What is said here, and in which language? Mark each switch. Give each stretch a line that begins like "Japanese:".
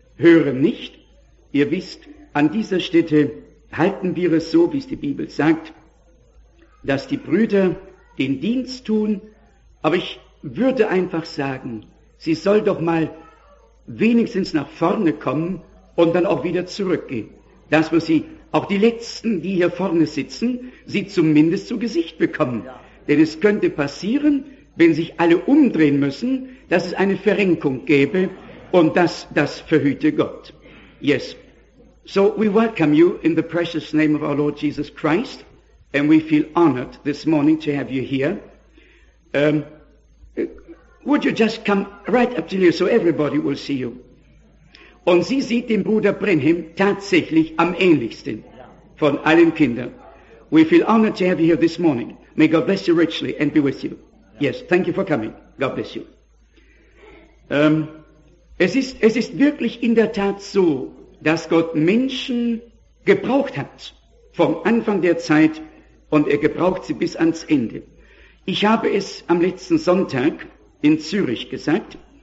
German: Höre nicht, ihr wisst, an dieser Stätte halten wir es so, wie es die Bibel sagt, dass die Brüder den Dienst tun, aber ich würde einfach sagen, sie soll doch mal wenigstens nach vorne kommen und dann auch wieder zurückgehen. Dass wir sie, auch die Letzten, die hier vorne sitzen, sie zumindest zu Gesicht bekommen. Ja. Denn es könnte passieren, wenn sich alle umdrehen müssen, dass es eine Verrenkung gäbe und dass das verhüte Gott.
English: Yes. So we welcome you in the precious name of our Lord Jesus Christ. And we feel honored this morning to have you here. Would you just come right up to here so everybody will see you?
German: Und sie sieht den Bruder Branham tatsächlich am ähnlichsten von allen Kindern.
English: We feel honored to have you here this morning. May God bless you richly and be with you. Yes, thank you for coming. God bless you.
German: Es ist wirklich in der Tat so, dass Gott Menschen gebraucht hat vom Anfang der Zeit. Und er gebraucht sie bis ans Ende. Ich habe es am letzten Sonntag in Zürich gesagt.